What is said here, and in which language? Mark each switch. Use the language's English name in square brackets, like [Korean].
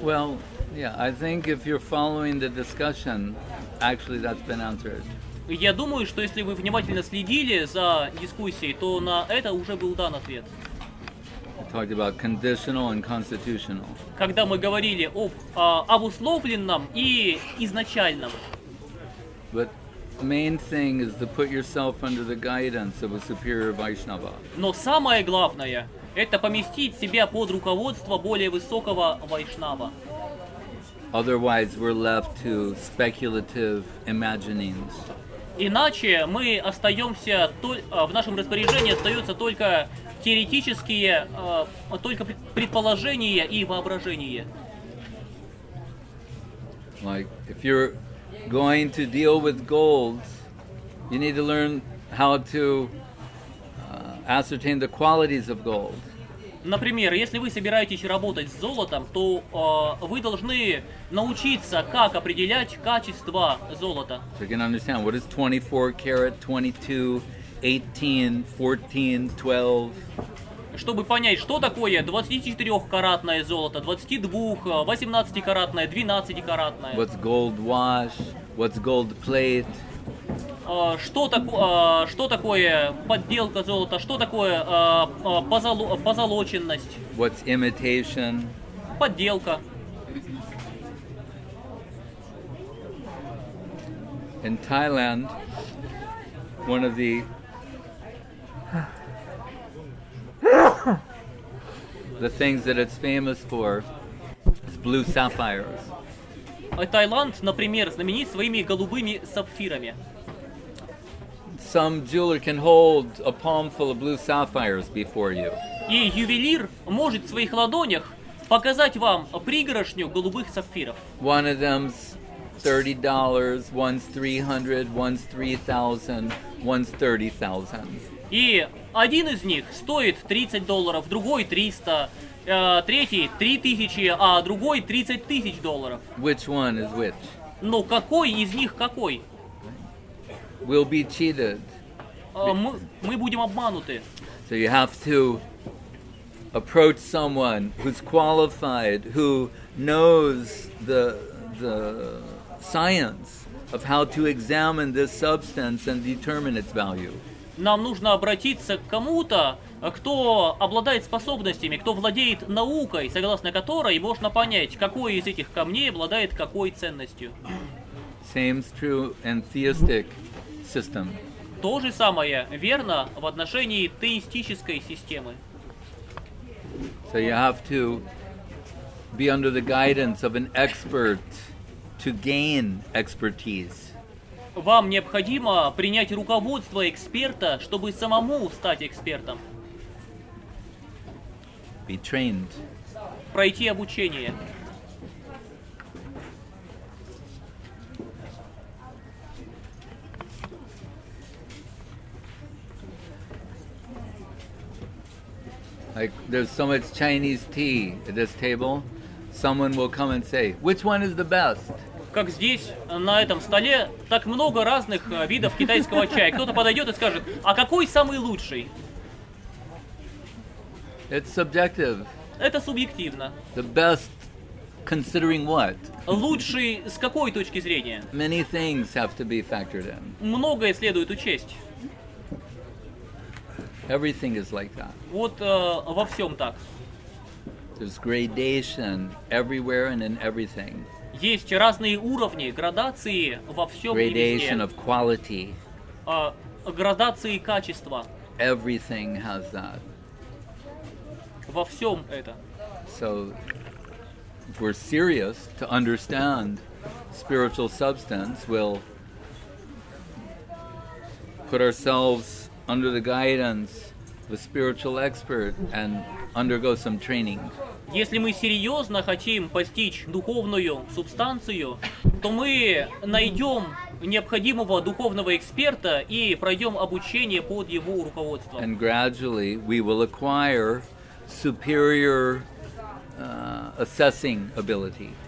[English] Well, yeah, I think if you're following the discussion, actually that's been answered. [Russian] Я думаю, что если вы внимательно следили за дискуссией, то на это уже был дан ответ. [English] Talked about conditional and constitutional. [Russian] Когда мы говорили об обусловленном и изначальном. [English] But main thing is to put yourself under the guidance of a superior Vaishnava. [Russian] Но самое главное это поместить себя под руководство более высокого Вайшнава. [English] Otherwise we're left to speculative imaginings. [Russian] Иначе мы остаемся в нашем распоряжении остаются только теоретические только предположения и воображения. [English] Like if you're going to deal with gold, you need to learn how to ascertain the qualities of gold. [Russian] Например, если вы собираетесь работать с золотом, то вы должны научиться, как определять качество золота. [English] So you can understand what is 24 carat, 22, 18, 14, 12. [Russian] Чтобы понять, что такое 24-каратное золото, 22, 18-каратное, 12-каратное. [English] What's gold wash? What's gold plate? [Russian] Что такое подделка золота? Что такое позолоченность? [English] What's imitation? [Russian] Подделка. [English] In Thailand, one of the the things that it's famous for is blue sapphires. [Russian] Таиланд, например, знаменит своими голубыми сапфирами. [English] Some jeweler can hold a palm full of blue sapphires before you. [Russian] И ювелир может в своих ладонях показать вам пригоршню голубых сапфиров. [English] One of them's $30, one's $300, one's $3,000, one's $30,000. [Russian] И один из них стоит $30, другой $300, третий $3,000, а другой $30,000. [English] Which one is which? [Russian] Но какой из них какой? [English] We'll be cheated. [Russian] Мы будем обмануты. [English] So you have to approach someone who's qualified, who knows the science of how to examine this substance and determine its value. [Russian] Нам нужно обратиться к кому-то, кто обладает способностями, кто владеет наукой, согласно которой можно понять, какой из этих камней обладает какой ценностью. [English] Same's true in theistic system. [Russian] То же самое верно в отношении теистической системы. [English] So you have to be under the guidance of an expert to gain expertise. [Russian] Вам необходимо принять руководство эксперта, чтобы самому стать экспертом. [English] Be trained. [Russian] Пройти обучение. [English] Like there's so much Chinese tea at this table, someone will come and say, which one is the best? [Russian] Как здесь, на этом столе, так много разных видов китайского чая. Кто-то подойдет и скажет, а какой самый лучший? [English] It's subjective. [Russian] Это субъективно. [English] The best considering what? [Russian] Лучший с какой точки зрения? [English] Many things have to be factored in. [Russian] Многое следует учесть. [English] Everything is like that. [Russian] Вот во всем так. [English] There's gradation everywhere and in everything. [Russian] Есть разные уровни, градации во всем мире. [English] Gradation of quality. [Russian] Градации качества. [English] Everything has that. [Russian] Во всем это. [English] So, if we're serious to understand spiritual substance, we'll put ourselves under the guidance of a spiritual expert and undergo some training. [Russian] Если мы серьезно хотим постичь духовную субстанцию, то мы найдем необходимого духовного эксперта и пройдем обучение под его руководством. [English] And gradually we will acquire superior assessing ability.